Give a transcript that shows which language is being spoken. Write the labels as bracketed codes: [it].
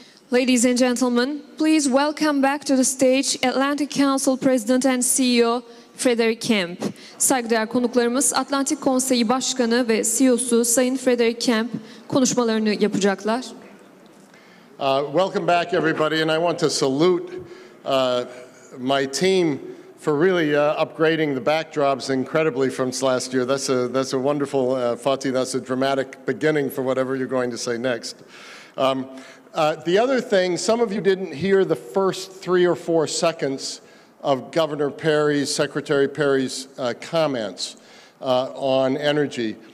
[en] Ladies and gentlemen, please welcome back to the stage Atlantic Council President and CEO Frederick Kemp. [tr] Saygıdeğer konuklarımız Atlantik Konseyi Başkanı ve CEO'su Sayın Frederick Kemp konuşmalarını yapacaklar. [en] Welcome back everybody, and I want to salute my team for really upgrading the backdrops incredibly from last year. That's a wonderful Fatih, that's a dramatic beginning for whatever you're going to say next. The other thing, some of you didn't hear the first 3 or 4 seconds of Governor Perry's, Secretary Perry's comments on energy.